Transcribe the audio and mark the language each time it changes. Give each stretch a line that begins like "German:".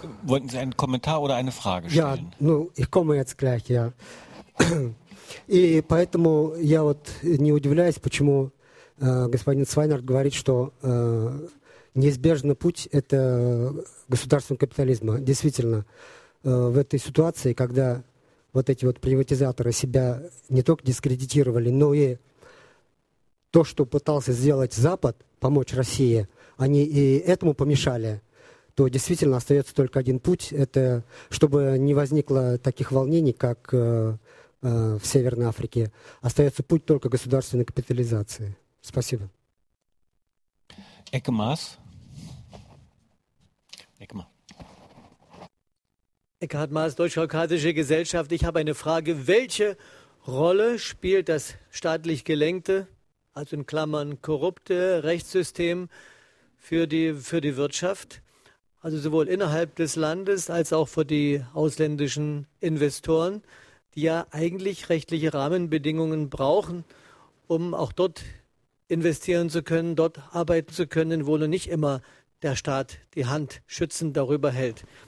German: Wollten Sie einen Kommentar oder eine Frage stellen? Ja, ну, ich komme jetzt gleich, ja.
Russian: И поэтому я вот не удивляюсь, почему господин Свайнард говорит, что неизбежный путь – это государственный капитализм. Действительно, в этой ситуации, когда вот эти вот приватизаторы себя не только дискредитировали, но и то, что пытался сделать Запад, помочь России, они и этому помешали, то действительно остается только один путь, это чтобы не возникло таких волнений, как в Северной Африке, остается путь только государственной капитализации. Спасибо. Экмас. Экма.
German: Экхард Маас, Deutsch-Kaukasische Gesellschaft. Ich habe eine Frage. Welche Rolle spielt das staatlich gelenkte, also in Klammern korrupte Rechtssystem für die Wirtschaft? Also sowohl innerhalb des Landes als auch für die ausländischen Investoren, die ja eigentlich rechtliche Rahmenbedingungen brauchen, um auch dort investieren zu können, dort arbeiten zu können, wo nur nicht immer der Staat die Hand schützend darüber hält.